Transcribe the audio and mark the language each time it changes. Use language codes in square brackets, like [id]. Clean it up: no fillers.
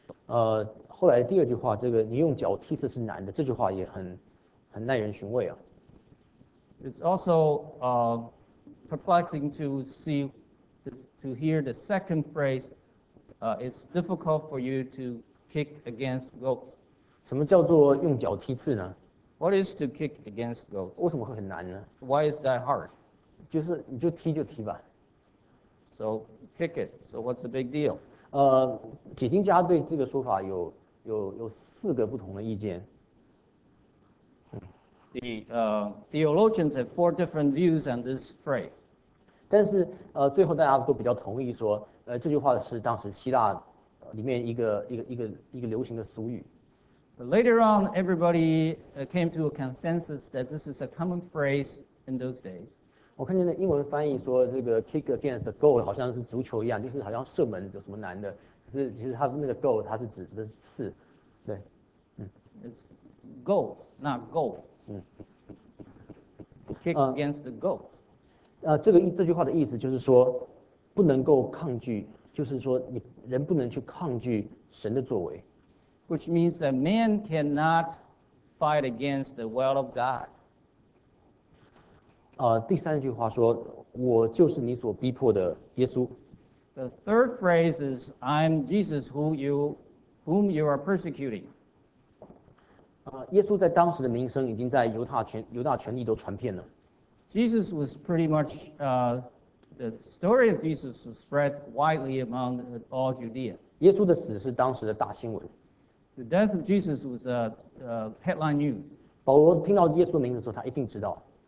[zh] 后来第二句话，这个你用脚踢刺是难的，这句话也很耐人寻味啊。 [en] It's also perplexing to see this, to hear the second phrase. It's difficult for you to kick against goats. [zh] 什么叫做用脚踢刺呢？ [en] What is to kick against goats? [zh] 为什么会很难呢？ [en] Why is that hard? [zh] 就是你就踢吧。 [en] So kick it. So what's the big deal? [zh] 解经家对这个说法有四个不同的意见。 [en] The theologians have four different views on this phrase. [zh] 但是最后大家都比较同意说，这句话是当时希腊里面一个流行的俗语。 [en] But later on, everybody came to a consensus that this is a common phrase in those days. [zh] 我看见的英文翻译说，这个 [en] kick against the goal [zh] 好像是足球一样，就是好像射门有什么难的。可是其实它那个 goal 它是指的是刺，对， [en] It's goals, not goal. Kick against the goals. [zh] 这句话的意思就是说，不能够抗拒，就是说你人不能去抗拒神的作为。 [en] Which means that man cannot fight against the will of God. [zh] 第三句话说，我就是你所逼迫的耶稣。 [en] The third phrase is, "I'm Jesus, whom you are persecuting." [zh] 耶稣在当时的名声已经在犹大全地都传遍了。 [en] Jesus was pretty much, the story of Jesus was spread widely among all Judea. [zh] 耶稣的死是当时的大新闻。 [en] The death of Jesus was a headline news. [zh] 保罗听到耶稣的名字的时候，他一定知道。